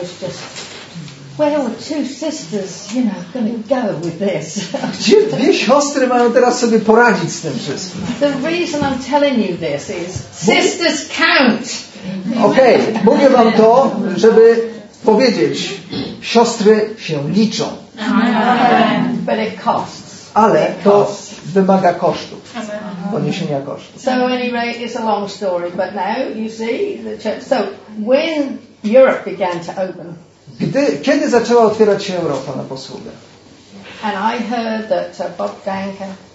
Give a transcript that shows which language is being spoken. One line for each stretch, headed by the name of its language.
English: Where are two sisters, you know, going to go with this?
Polish: Gdzie dwie siostry mają teraz sobie poradzić z tym wszystkim?
English: The reason I'm telling you this is sisters count.
Polish: Okej, okay, mówię wam to, żeby powiedzieć, siostry się liczą.
English: But it costs.
Polish: Ale to wymaga kosztów, poniesienia kosztów.
English: So anyway, it's a long story, but now you see the church. So when Europe began to open.
Polish: Kiedy zaczęła otwierać się Europa na posługę?
English: And I heard that Bob Danker.